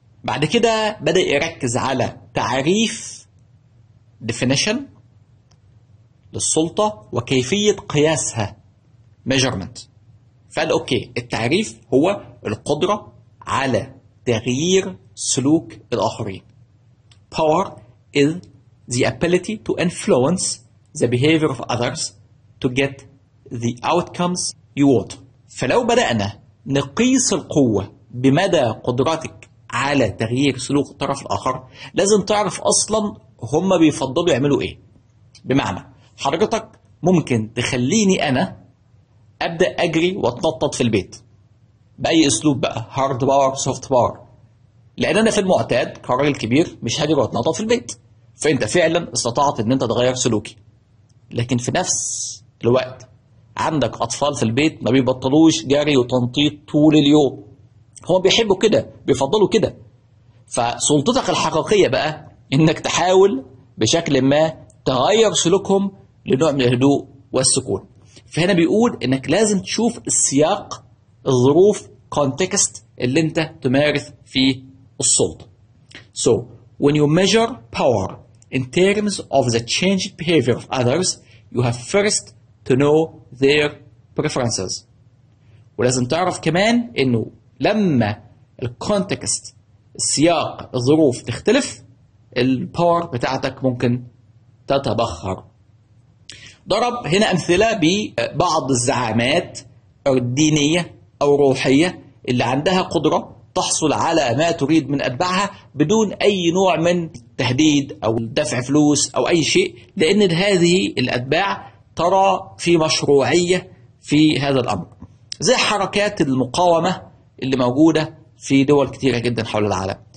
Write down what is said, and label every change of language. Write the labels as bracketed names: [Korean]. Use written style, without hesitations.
[Arabic] بعد كده بدأ يركز على تعريف definition للسلطة وكيفية قياسها measurement. فقال أوكي، التعريف هو القدرة على تغيير سلوك الآخرين. [English] Power is the ability to influence the behavior of others to get the outcomes you want. [Arabic] فلو بدأنا نقيس القوة بمدى قدرتك على تغيير سلوك الطرف الآخر، لازم تعرف أصلا هما بيفضلوا يعملوا إيه. بمعنى حضرتك ممكن تخليني أنا أبدأ أجري واتنطط في البيت بأي أسلوب بقى، هارد باور سوفت باور، لأن أنا في المعتاد كراجل كبير مش هجري واتنطط في البيت. فأنت فعلا استطعت أن أنت تغير سلوكي، لكن في نفس الوقت عندك أطفال في البيت ما بيبطلوش جري وتنطيط طول اليوم، هم بيحبوا كده، بيفضلوا كده. فسلطتك الحقيقية بقى إنك تحاول بشكل ما تغير سلوكهم لنوع من الهدوء والسكون. فهنا بيقول إنك لازم تشوف السياق، الظروف، context اللي انت تمارس فيه السلطة. [English] So when you measure power in terms of the changed behavior of others, you have first to know their preferences. [Arabic] ولازم تعرف كمان إنه لما الكونتكست، السياق، الظروف تختلف، الباور بتاعتك ممكن تتبخر. ضرب هنا أمثلة ببعض الزعامات الدينية أو روحية اللي عندها قدرة تحصل على ما تريد من أتباعها بدون أي نوع من تهديد أو دفع فلوس أو أي شيء، لأن هذه الأتباع ترى في مشروعية في هذا الأمر، زي حركات المقاومة اللي موجودة في دول كتيرة جدا حول العالم.